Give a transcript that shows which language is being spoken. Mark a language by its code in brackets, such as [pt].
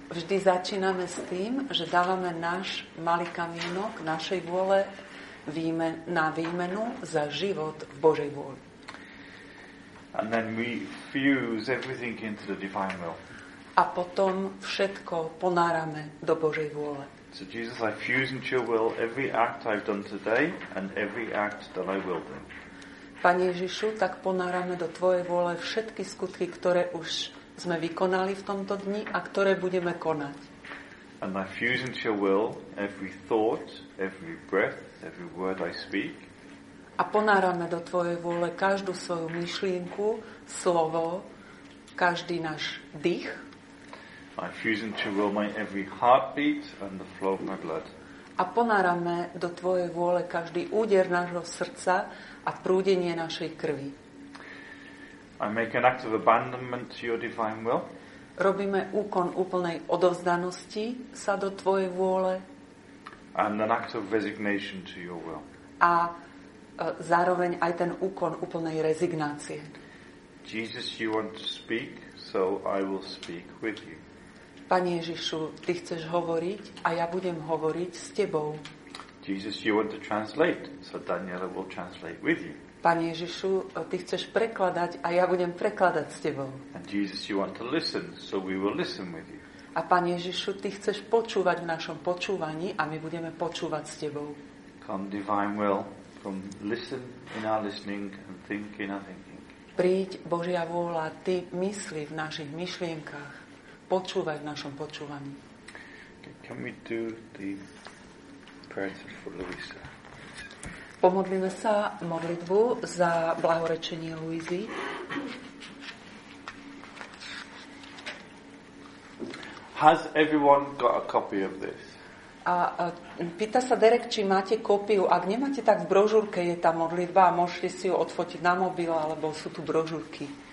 [sk] Vždy začíname s tým, že dávame náš malý kamienok našej vôle na výmenu za život v Božej vôli. [en] And then we fuse everything into the divine will. [sk] A potom všetko ponárame do Božej vôle. [en] So Jesus, I fuse into your will every act I've done today and every act that I will do. [sk] Pane Ježišu, tak ponárame do tvojej vôle všetky skutky, ktoré už sme vykonali v tomto dni a ktoré budeme konať. [en] And I fuse into your will every thought, every breath, every word I speak. [sk] A ponárame do tvojej vôle každú svoju myšlienku, slovo, každý náš dých. [en] I fuse into will my every heartbeat and the flow of my blood. [sk] A ponárame do tvojej vôle každý úder nášho srdca a prúdenie našej krvi. [en] I make an act of abandonment to your divine will. [sk] Robíme úkon úplnej odovzdanosti sa do tvojej vôle. [en] And an act of resignation to your will. [sk] A zároveň aj ten úkon úplnej rezignácie. [en] Jesus, you want to speak, so I will speak with you. [sk] Pane Ježišu, ty chceš hovoriť a ja budem hovoriť s tebou. [en] Jesus, you want to translate, so Daniela will translate with you. [sk] Pane Ježišu, ty chceš prekladať a ja budem prekladať s tebou. [en] And Jesus, you want to listen, so we will listen with you. [sk] A Pane Ježišu, ty chceš počúvať v našom počúvaní a my budeme počúvať s tebou. [en] Come divine will, from listen in our listening and think in our thinking. [sk] Príď Božia vôľa, ty mysli v našich myšlienkach. Počúvať v našom počúvaní. [en] Can we do the prayer for Louisa? [sk] Pomodlíme sa modlitbu za blahorečenie Louisy. [en] Has everyone got a copy of this? [sk] A pýta sa Derek, či máte kópiu. Ak nemáte, tak v brožúrke je tá modlitba a môžete si ju odfotiť na mobil, alebo sú tu brožúrky.